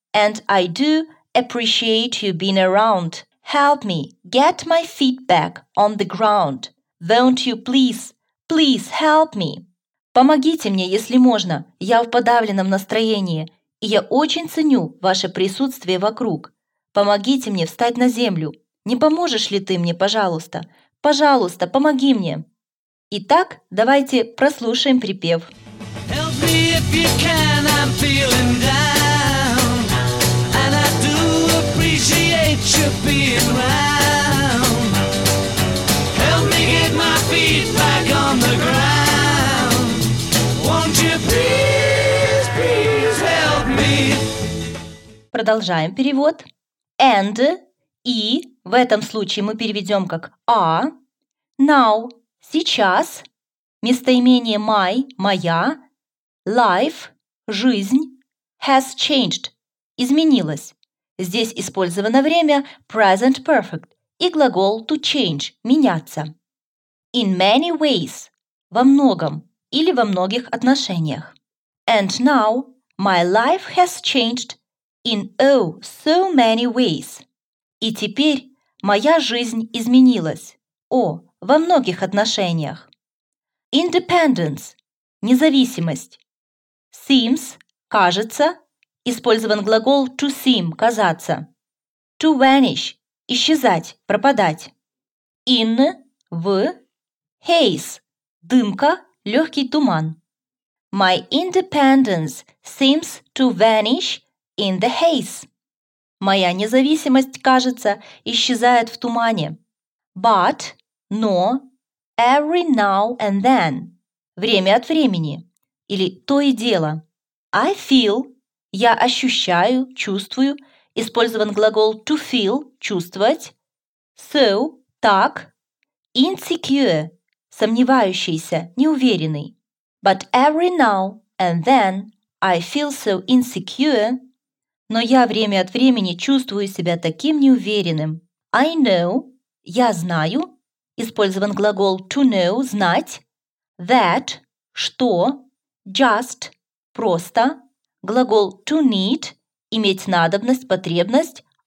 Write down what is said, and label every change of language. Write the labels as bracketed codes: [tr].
[en] And I do appreciate you being around. Help me get my feet back on the ground. Won't you please? Please help me. [ru] Помогите мне, если можно. Я в подавленном настроении. И я очень ценю ваше присутствие вокруг. Помогите мне встать на землю. Не поможешь ли ты мне, пожалуйста? Пожалуйста, помоги мне. Итак, давайте прослушаем припев. [en] Help me if you can, I'm feeling down. And I do appreciate you being round. Help me get my feet back on the ground. Won't you please, please help me? [ru] Продолжаем перевод. [en] And [ru] и в этом случае мы переведем как а, [en] now [ru] – сейчас, местоимение [en] my [ru] – моя, [en] life [ru] – жизнь, [en] has changed [ru] – изменилось. Здесь использовано время present perfect и глагол [en] to change [ru] – меняться. [en] In many ways [ru] – во многом или во многих отношениях. [en] And now my life has changed in oh so many ways. [ru] И теперь моя жизнь изменилась. О, во многих отношениях. [en] Independence [ru] – независимость. [en] Seems [ru] – кажется. Использован глагол [en] to seem [ru] – казаться. [en] To vanish [ru] – исчезать, пропадать. [en] In [ru] – в. [en] Haze [ru] – дымка, легкий туман. [en] My independence seems to vanish in the haze. [ru] Моя независимость, кажется, исчезает в тумане. [en] But, [ru] но, [en] every now and then, [ru] время от времени, или то и дело. [en] I feel, [ru] я ощущаю, чувствую, использован глагол [en] to feel, [ru] чувствовать. [en] So, [ru] так, [en] insecure, [ru] сомневающийся, неуверенный. [en] But every now and then, I feel so insecure. [ru] Но я время от времени чувствую себя таким неуверенным. [en] I know [ru] – я знаю. Использован глагол [en] to know [ru] – знать. [en] That [ru] – что. [en] Just [ru] – просто. Глагол [en] to need [ru] – иметь надобность, потребность.